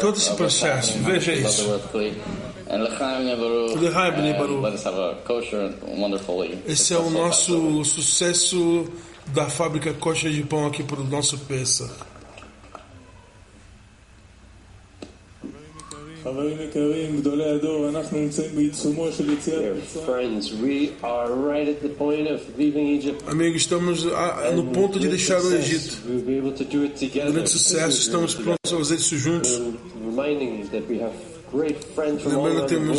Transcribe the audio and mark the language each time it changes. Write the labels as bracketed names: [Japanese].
[Portuguese] Todo esse processo, veja isso. [Hebrew] And l'chaim nebaruch. L'chaim nebaruch. [English] Let us have a kosher and wonderfully. [Portuguese] Esse é o nosso sucesso da fábrica kosher de pão aqui para o nosso Pesach. [English] Friends, we are right at the point of leaving Egypt. [Portuguese] Amigos, estamos no ponto de deixar o Egito. [English] We'll be able to do it together. [Portuguese] Grande sucesso, estamos prontos a fazer isso juntos. [English] Reminding that we have great friends from all over the world.